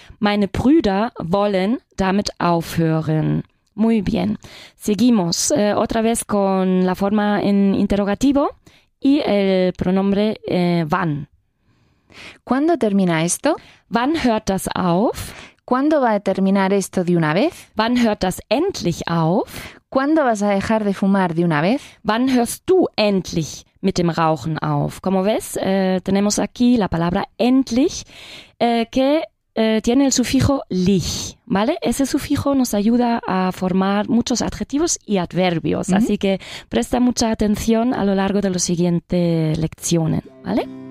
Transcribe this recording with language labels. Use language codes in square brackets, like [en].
[de] Meine Brüder wollen damit aufhören. [es] Muy bien. Seguimos otra vez con la forma en interrogativo. y el pronombre wann. ¿Cuándo termina esto? [de] Wann hört das auf? [es] ¿Cuándo va a terminar esto de una vez? [de] Wann hört das endlich auf? [es] ¿Cuándo vas a dejar de fumar de una vez? [de] Wann hörst du endlich mit dem Rauchen auf? [es] Como ves, tenemos aquí la palabra endlich, que tiene el sufijo lich, ¿vale? Ese sufijo nos ayuda a formar muchos adjetivos y adverbios, mm-hmm. así que presta mucha atención a lo largo de las siguientes lecciones, ¿vale?